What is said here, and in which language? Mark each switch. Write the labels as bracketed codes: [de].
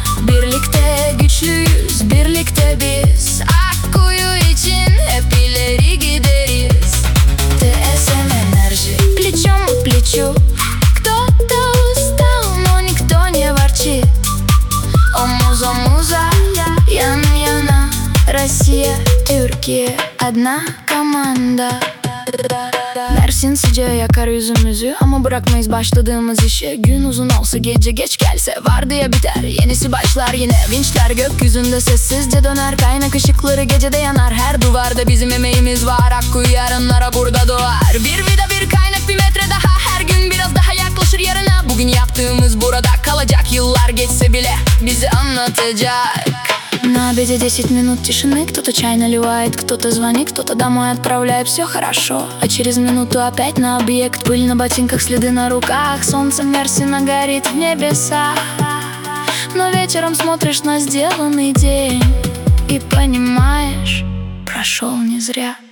[tr] Birlikte güçlüyüz, birlikte biz. Akkuyu için hep ileri gideriz. [ru] TSM Enerji. Плечом к плечу. Кто-то устал, но никто не ворчит. О, муза, муза, ян-яна. Россия, Türkiye, одна команда. [tr] Mersin sıcağı yakar yüzümüzü. Ama bırakmayız başladığımız işi. Gün uzun olsa, gece geç gelse. Var diye biter, yenisi başlar yine. Vinçler gökyüzünde sessizce döner. Kaynak ışıkları gecede yanar. Her duvarda bizim emeğimiz var. Akkuyu yarınlara burada doğar. Bir vida, bir kaynak, bir metre daha. Her gün biraz daha yaklaşır yarına. Bugün yaptığımız burada kalacak. Yıllar geçse bile bizi anlatacak. [ru] На обеде 10 минут тишины. Кто-то чай наливает, кто-то звонит. Кто-то домой отправляет, все хорошо. А через минуту опять на объект. Пыль на ботинках, следы на руках. Солнце Мерсина горит в небесах. Но вечером смотришь на сделанный день и понимаешь, прошел не зря.